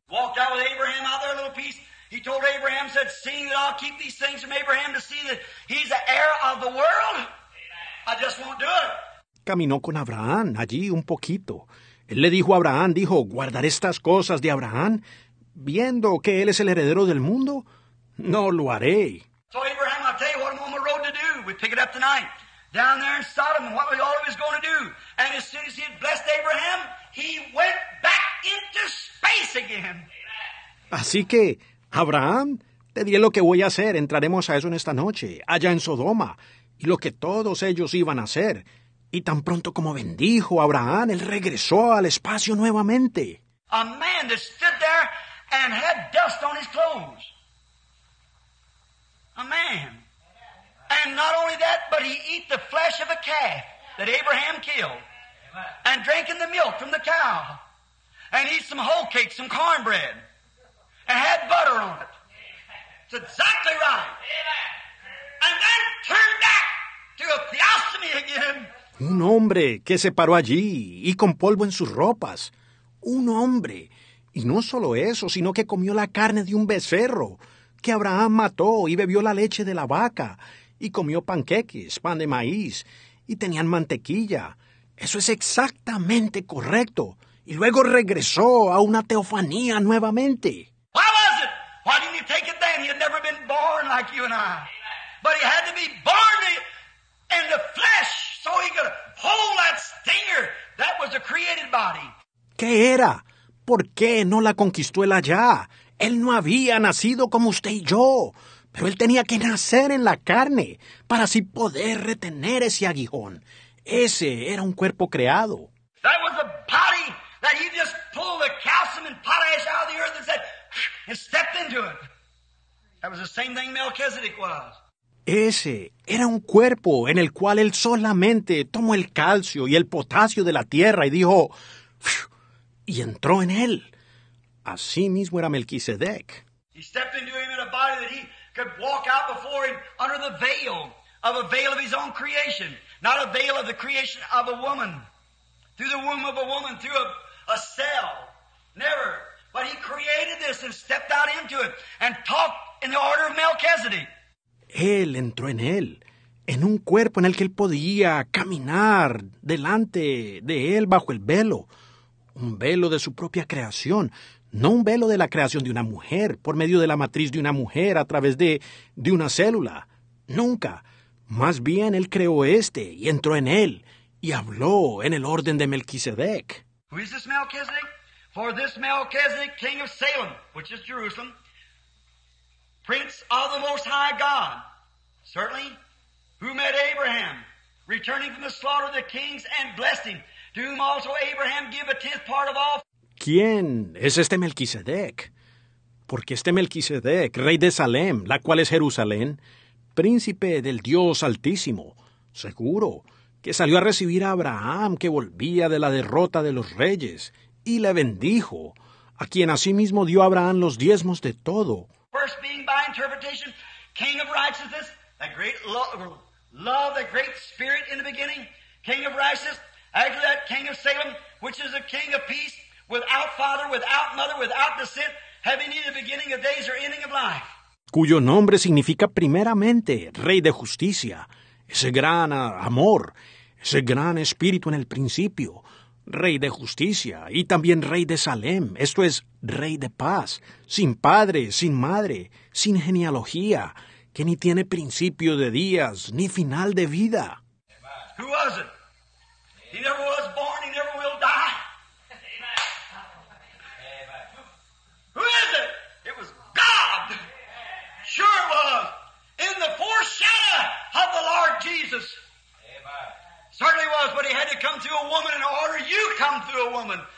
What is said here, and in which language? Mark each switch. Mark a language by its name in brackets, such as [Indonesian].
[English] Walked out with Abraham out there a little piece. He told Abraham, said, seeing that I'll keep these things from Abraham to see that he's the heir of the world, I just won't do it. [Spanish] Caminó con Abraham allí un poquito. Él le dijo a Abraham, dijo, guardaré estas cosas de Abraham, viendo que él es el heredero del mundo, no lo haré. [English] So Abraham, I'll tell you what I'm on the road to do. We pick it up tonight. Down there in Sodom, what was all of us going to do? And as soon as he had blessed Abraham, he went back into space again. [Spanish] Así que, Abraham, te diré lo que voy a hacer. Entraremos a eso en esta noche, allá en Sodoma, y lo que todos ellos iban a hacer. Y tan pronto como bendijo a Abraham, él regresó al espacio nuevamente. [English] A man that stood there and had dust on his clothes. A man. And not only that, but he ate the flesh of a calf that Abraham killed. And drank in the milk from the cow. And eat some whole cakes, some cornbread. And had butter on it. It's exactly right. And then turned back to a theosomy again. [Spanish] Un hombre que se paró allí y con polvo en sus ropas. Un hombre. Y no solo eso, sino que comió la carne de un becerro que Abraham mató y bebió la leche de la vaca y comió panqueques, pan de maíz, y tenían mantequilla. Eso es exactamente correcto. Y luego regresó a una teofanía nuevamente. [English] Why was it? Why didn't he take it then? He had never been born like you and I. But he had to be born in the flesh so he could hold that stinger. That was a created body. [Spanish] ¿Qué era? ¿Por qué no la conquistó él allá? Él no había nacido como usted y yo, pero él tenía que nacer en la carne para así poder retener ese aguijón. Ese era un cuerpo creado. [English] That was a body that he just pulled the calcium and potash out of the earth and said, and stepped into it. That was the same thing Melchizedek was. [Spanish] Ese era un cuerpo en el cual él solamente tomó el calcio y el potasio de la tierra y dijo, y entró en él. Así mismo era Melquisedec. [English] He stepped into him in a body that he could walk out before him under the veil of a veil of his own creation, not a veil of the creation of a woman, through the womb of a woman, through a cell. Never. But he created this and stepped out into it and talked in the order of Melchizedek. [Spanish] Él entró en él, en un cuerpo en el que él podía caminar delante de él bajo el velo, un velo de su propia creación. No un velo de la creación de una mujer, por medio de la matriz de una mujer, a través de una célula. Nunca. Más bien, él creó este y entró en él y habló en el orden de Melquisedec. [English] Who is this Melchizedek? For this Melchizedek, king of Salem, which is Jerusalem, Prince of the Most High God, certainly, who met Abraham, returning from the slaughter of the kings, and blessed him, to whom also Abraham gave a tenth part of all. [Spanish] ¿Quién es este Melquisedec? Porque este Melquisedec, rey de Salem, la cual es Jerusalén, príncipe del Dios Altísimo, seguro que salió a recibir a Abraham, que volvía de la derrota de los reyes, y le bendijo, a quien asimismo dio Abraham los diezmos de todo. [English] First being by interpretation, King of Righteousness, that great love, the great spirit in the beginning, King of Righteousness, after that King of Salem, which is a King of Peace, without father, without mother, without descent, having neither beginning of days or ending of life. [Spanish] Cuyo nombre significa primeramente Rey de Justicia, ese gran amor, ese gran espíritu en el principio, Rey de Justicia, y también Rey de Salem, esto es, Rey de Paz, sin padre, sin madre, sin genealogía, que ni tiene principio de días, ni final de vida. [English] Who was it? He never was born, he never will die. Who is it? It was God. Sure was. In the foreshadow of the Lord Jesus. Amen. Certainly was, but he had to come through a woman in order you come through a woman.